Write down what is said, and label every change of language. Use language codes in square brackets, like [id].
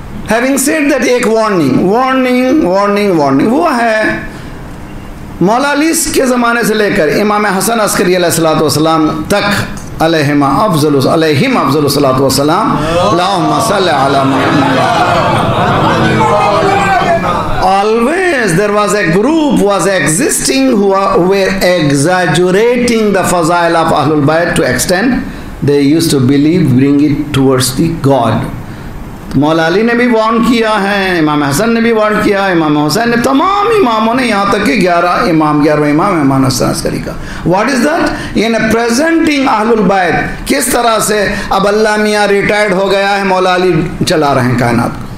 [en] Having said that, ایک warning, warning, warning, warning. [ur] وہ ہے مولا علی کے زمانے سے لے کر امام حسن عسکری علیہ الصلوۃ والسلام تک, علیہما افضل علیہم افضل الصلوۃ والسلام, [ar] اللهم صل علی محمد. [en] Always there was a group was existing who were exaggerating the fazail of Ahlul Bayt to extent they used to believe bring it towards the God. [ur] مولا علی نے بھی وارن کیا ہے, امام حسن نے بھی وارن کیا ہے, امام حسین نے, تمام اماموں نے, یہاں تک کہ گیارہ امام, گیارہواں امام امام حسن عسکری کا. [en] What is that? [ur] یعنی پریزنٹنگ اہل البیت کس طرح سے, اب اللہ میاں ریٹائرڈ ہو گیا ہے, مولا علی چلا رہے ہیں کائنات.